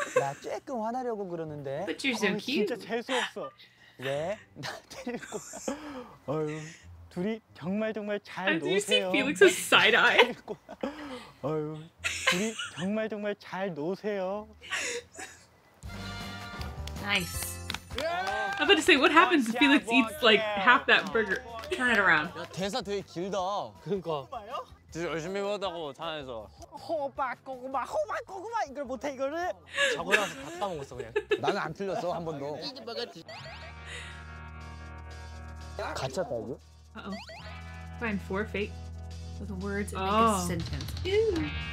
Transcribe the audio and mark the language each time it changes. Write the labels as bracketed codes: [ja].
[ko] 나 쬐끔 화나려고 그러는데. [en] But you're so cute. [ko] 진짜 재수없어. 왜? 나 때릴 거야. 어휴, 둘이 정말 정말 잘 노세요. [en] Do you see Felix's side eye? [ko] 어휴, 둘이 정말 정말 잘 노세요. [en] Nice. I'm about to say, what happens if Felix eats like half that burger? Turn it around. [ko] 야, 대사 되게 길다. 그러니까. 진짜 열심히 하다고 탄에서 호박 고구마 호박 고구마 이걸 못해 이거를 자고 나서 다 까먹었어 그냥 나는 안 틀렸어 한 번도 가짜다 이거? Uh-oh. [en] Find forfeit with words and make a sentence.